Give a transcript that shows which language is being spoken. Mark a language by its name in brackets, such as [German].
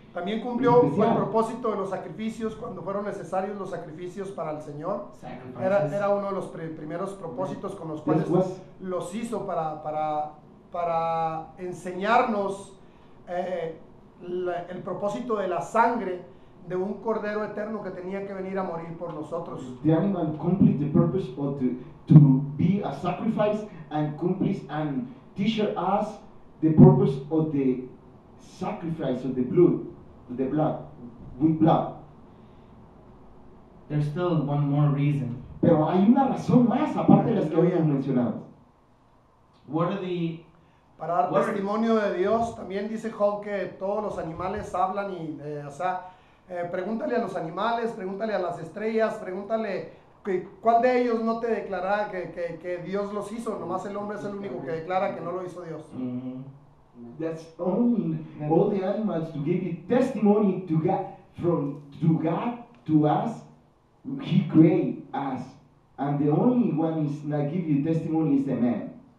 [Spanish] también cumplió el propósito de los sacrificios cuando fueron necesarios los sacrificios para el Señor. Era uno de los primeros propósitos con los cuales los hizo para enseñarnos el propósito de la sangre de un cordero eterno que tenía que venir a morir por nosotros. [English] The animal completes the purpose of to be a sacrifice and completes and teaches us the purpose of the sacrifice of the blood. There's still one more reason. [Spanish] Pero hay una razón más aparte de las que habían mencionado. Para dar testimonio de Dios, también dice Job que todos los animales hablan y, pregúntale a los animales, pregúntale a las estrellas, pregúntale que, cuál de ellos no te declarará que Dios los hizo, nomás el hombre es el único que declara que no lo hizo Dios. Mm-hmm. [English] That's only all the animals to give you testimony to God, from to God to us, He created us, and the only one is not give you testimony is the man.